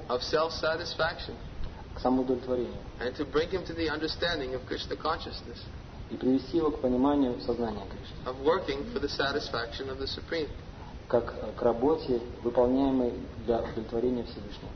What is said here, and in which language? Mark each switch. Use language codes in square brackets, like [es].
[en] Of self-satisfaction. [ru] К самоудовлетворению. [en] And to bring him to the understanding of Krishna consciousness. [ru] И привести его к пониманию сознания Кришны. [en] Of working for the satisfaction of the Supreme. [ru] Как к работе, выполняемой для удовлетворения Всевышнего.